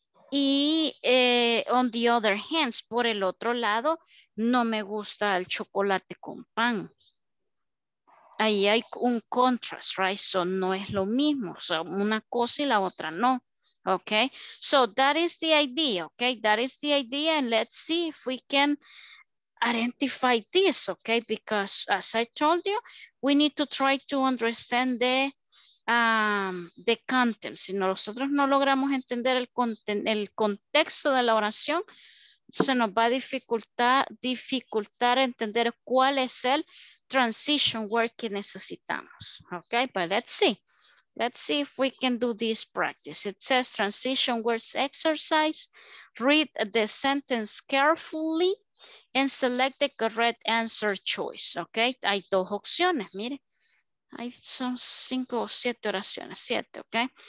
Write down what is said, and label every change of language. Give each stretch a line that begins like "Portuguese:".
Spanish: Y
English: on the other hand,
Spanish: por el otro lado, no me gusta el chocolate con pan. Ahí hay un contrast, right? So no es lo mismo, so una cosa y la otra no.
English: Okay, so that is the idea, okay? That is the idea, and let's see if we can identify this, okay? Because as I told you, we need to try to understand the content.
Spanish: Si nosotros no logramos entender el contexto de la oración, se nos va a dificultar entender cuál es el transition word que necesitamos, okay?
English: But let's see. Let's see if we can do this practice. It says transition words exercise. Read the sentence carefully and select the correct answer choice.
Spanish: Okay, hay dos opciones, mire. Hay son cinco o siete oraciones, siete, okay?